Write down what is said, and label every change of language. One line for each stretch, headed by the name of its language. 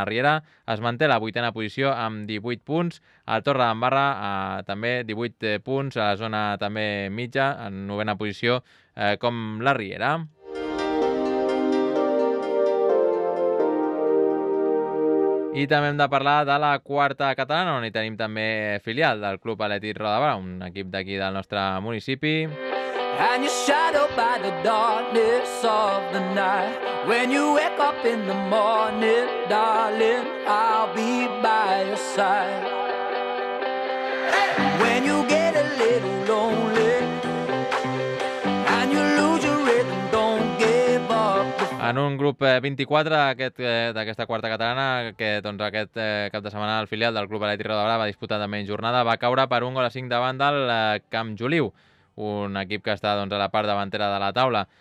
Catalan: La Riera es manté la vuitena posició amb 18 punts, el Torredembarra també 18 punts, a la zona també mitja, en novena posició, com la Riera. I també hem de parlar de la quarta catalana, on hi tenim també filial del Club Atlètic Roda Barà, un equip d'aquí del nostre municipi.
English: And you're shadowed by the darkness of the night. When you wake up in the morning, darling, I'll be by your side. When you get a little lonely.
Catalan: En un grup 24 d'aquesta quarta catalana, que doncs, aquest cap de setmana el filial del Club Atlètic Roda Barà va disputar també en jornada, va caure per 1-5 davant del Camp Joliu, un equip que està doncs, a la part davantera de la taula.